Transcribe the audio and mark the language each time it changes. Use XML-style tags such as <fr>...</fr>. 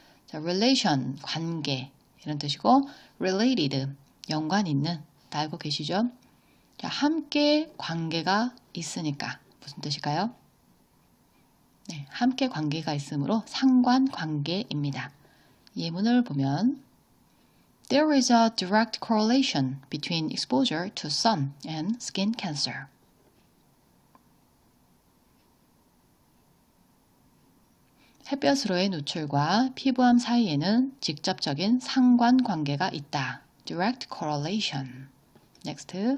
<ko>자, relation, 관계. 이런 뜻이고, related, 연관 있는. 다 알고 계시죠? 자, 함께 관계가 있으니까. 무슨 뜻일까요? 네, 함께 관계가 있으므로 상관 관계입니다.</ko> <en>예문을 보면, There is a direct correlation between exposure to sun and skin cancer.</en> <ko>햇볕으로의 노출과 피부암 사이에는 직접적인 상관 관계가 있다.</ko> <en>Direct correlation. Next.</en>